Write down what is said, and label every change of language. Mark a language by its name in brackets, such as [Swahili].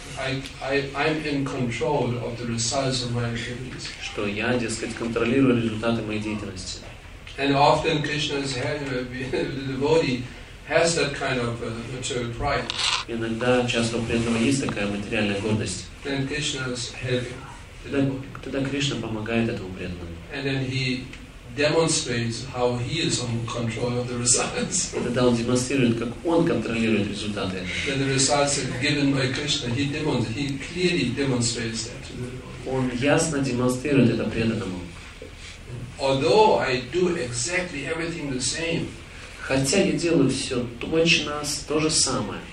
[English] I'm in control of the results of my activities. [Russian] Что я, дескать, контролирую результаты моей деятельности. [English] And often Krishna's devotee has that kind of material pride. [Russian] Иногда часто у преданного есть такая материальная гордость. [English] Then Krishna's helping. [Russian] Тогда Кришна помогает этому преданному. [English] And then he demonstrates how he is on control of the results. [Russian] Тогда он демонстрирует, как он контролирует результаты. [English] Then the results are given by Krishna. He clearly demonstrates that to the devotee. [Russian] Он ясно демонстрирует это преданному. [English] Although I do exactly everything the same. [Russian] Хотя я делаю все точно, то же самое.